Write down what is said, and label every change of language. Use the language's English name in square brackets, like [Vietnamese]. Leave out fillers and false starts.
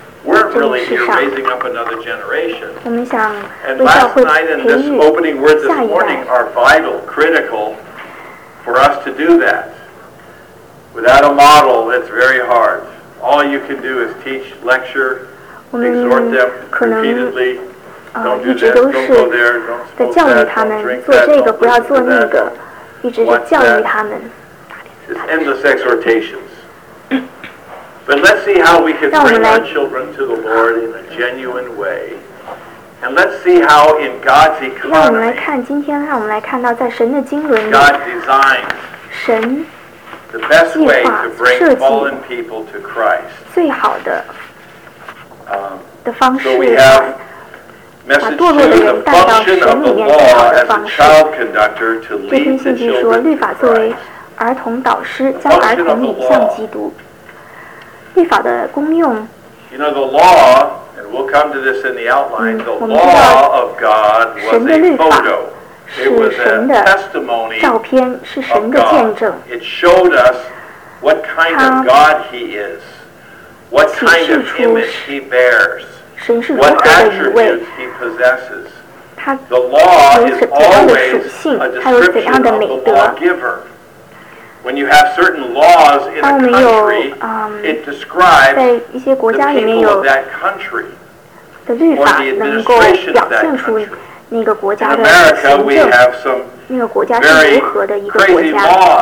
[Chinese] 我们想为教会培育下一代。 [English] Without a model, it's very hard. All you can do is teach, lecture, exhort them repeatedly. Don't do that. Don't go there. Don't smoke that. Don't drink that. Don't do that. Don't do that. It's endless exhortations. But let's see how we can bring our children to the Lord in a genuine way. And let's see how in God's economy, [Chinese] 让我们来看今天，让我们来看到在神的经纶里， [English] God designs [Chinese] 神 [English] the best way to bring fallen people to Christ. [Chinese] 最好的的方式。 [English] So we have message two, the function of the law as a child conductor to lead the children to Christ. [Chinese] 这篇信息说，律法作为儿童导师，将儿童引向基督。律法的功用。 [English] You know the law, and we'll come to this in the outline. The law of God was a photo. [Chinese] 是神的照片，是神的见证。 [English] It showed us what kind of God He is, what kind of image He bears, what attributes He possesses. The law is always a description of the lawgiver. When you have certain laws in a country, it describes the people of that country or the administration of that country. [Chinese] 那个国家的行政，那个国家是如何的一个国家？